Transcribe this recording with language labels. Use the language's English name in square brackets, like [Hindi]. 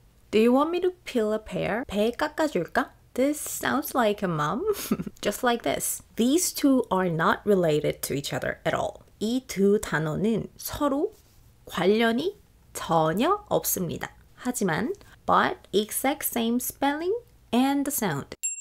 [English] Do you want me to peel a pear? [Korean] 배 깎아줄까? [English] This sounds like a mom. Just like this. These two are not related to each other at all. [Korean] 이 두 단어는 서로 관련이 전혀 없습니다. 하지만, [English] but exact same spelling and the sound.